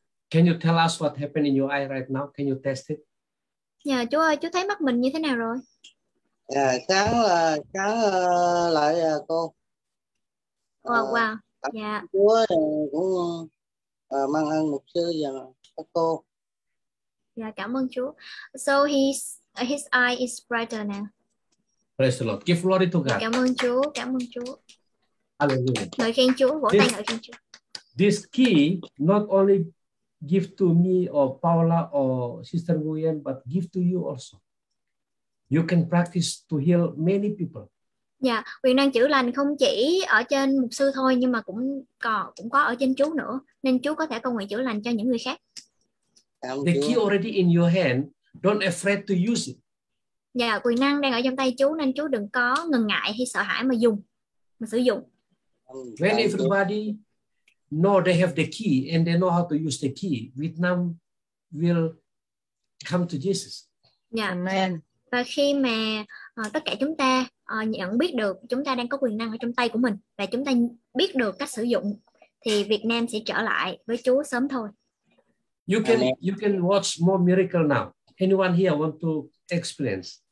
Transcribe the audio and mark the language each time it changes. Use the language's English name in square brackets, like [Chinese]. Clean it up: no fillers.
[English] Can you tell us what happened in your eye right now? Can you test it? [Vietnamese] Dạ, chú ơi, chú thấy mắt mình như thế nào rồi? Dạ, sáng là sáng lại cô. Wow, wow. Dạ. Chú cũng mang ơn mục sư và các cô. Dạ, cảm ơn chú. [English] So his eye is brighter now. Praise the Lord. Give glory to God. [Vietnamese] Cảm ơn chú, cảm ơn chú. [English] Hallelujah. [Vietnamese] Ngợi khen chú, vỗ tay ngợi khen chú. [English] This key not only give to me or Paula or Sister Nguyen, but give to you also. You can practice to heal many people. [Vietnamese] Dạ, yeah, quyền năng chữa lành không chỉ ở trên mục sư thôi, nhưng mà cũng có ở trên chú nữa. Nên chú có thể cầu nguyện chữa lành cho những người khác. [English] The key already in your hand. Don't afraid to use it. [Vietnamese] Dạ, yeah, quyền năng đang ở trong tay chú, nên chú đừng có ngần ngại hay sợ hãi mà dùng, mà sử dụng. [English] When everybody know they have the key and they know how to use the key, Vietnam will come to Jesus. Yeah. Amen. [Vietnamese] Và khi mà tất cả chúng ta nhận biết được chúng ta đang có quyền năng ở trong tay của mình và chúng ta biết được cách sử dụng, thì Việt Nam sẽ trở lại với Chúa sớm thôi. [English] You can watch more miracle now. Anyone here want to experience?